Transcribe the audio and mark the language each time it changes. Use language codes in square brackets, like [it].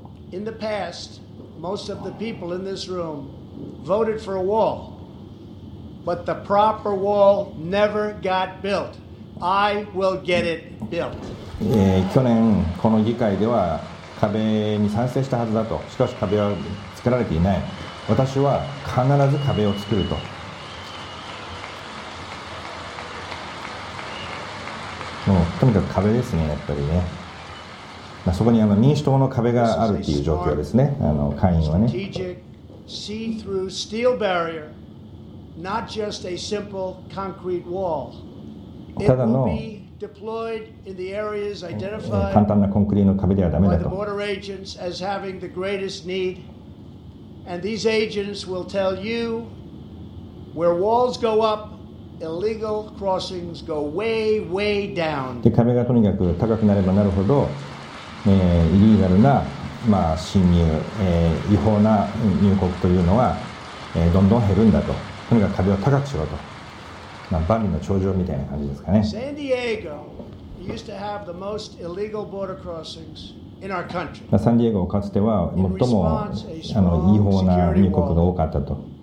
[en] In the past, most of the people in this room voted for a wall, but the proper wall never got built. I will get it built. [ja] 去年この議会では壁に賛成したはずだと。しかし壁は作られていない。私は必ず壁を作ると。もうとにかく壁ですね、やっぱりね。そこにあの民主党の壁があるという状況ですね。あの会員はね。 [en] Strategic see-through steel barrier, not just a simple concrete wall. It will be deployed in the areas identified. [ja] 簡単なコンクリートの壁ではダメだと。 [en] By the border agents as having the greatest need, and these agents will tell you where walls go up. Illegal crossings go way down. [ja] で壁がとにかく高くなればなるほど、イリーガルな、まあ、侵入、違法な入国というのは、どんどん減るんだと。とにかく壁を高くしろと、まあ、万里の長城みたいな感じですかね。 [en] サンディエゴ used to have the most illegal border crossings in our country. [ja] サンディエゴはかつては最もあの違法な入国が多かったと。